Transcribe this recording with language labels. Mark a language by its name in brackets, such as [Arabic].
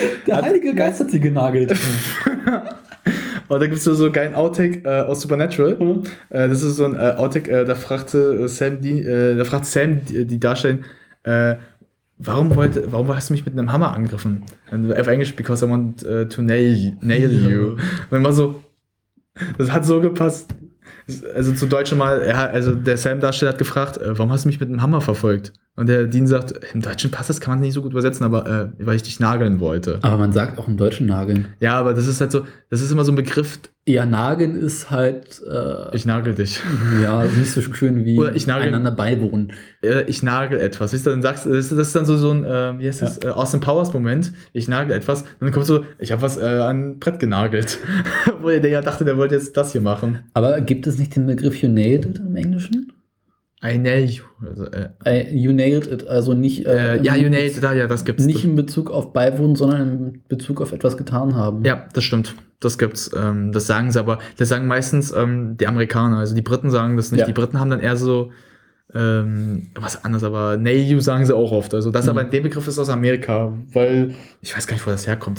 [German] Heilige Geist hat sie genagelt. Oh, da gibt es so einen geilen Outtake aus Supernatural. Mhm. Das ist so ein Outtake, da fragte Sam die Darstellerin, warum hast du mich mit einem Hammer angegriffen? Auf Englisch, [English] because I want to nail you. Mhm. [German] Und man so, das hat so gepasst. Also zu Deutsch mal, der Sam-Darsteller hat gefragt, warum hast du mich mit einem Hammer verfolgt? Und der Dean sagt, im Deutschen passt das, kann man nicht so gut übersetzen, aber weil ich dich nageln wollte. Aber man sagt auch im Deutschen nageln. Ja, aber das ist halt so, das ist immer so ein Begriff. Ja, nageln ist halt. Ich nagel dich. Ja, nicht so schön wie einander beibohren. Ich nagel etwas. Siehst du, dann sagst du, das ist dann so ein, Austin Powers-Moment. Ich nagel etwas. Und dann kommst du, ich habe was an ein Brett genagelt. Wo der ja dachte, der wollte jetzt das hier machen. Aber gibt es nicht den Begriff [English] you nailed it [German] im Englischen? [English] I nail you. [German] Also, [English] you nailed it, [German] also nicht. [English] You nailed it, [German] ja, das gibt's. Nicht in Bezug auf beiwohnen, sondern in Bezug auf etwas getan haben. Ja, das stimmt. Das gibt's. Das sagen sie aber. Das sagen meistens die Amerikaner. Also die Briten sagen das nicht. Ja. Die Briten haben dann eher so. Was anderes, aber [English] nail you [German] sagen sie auch oft. Also das aber der Begriff ist aus Amerika, weil ich weiß gar nicht, wo das herkommt.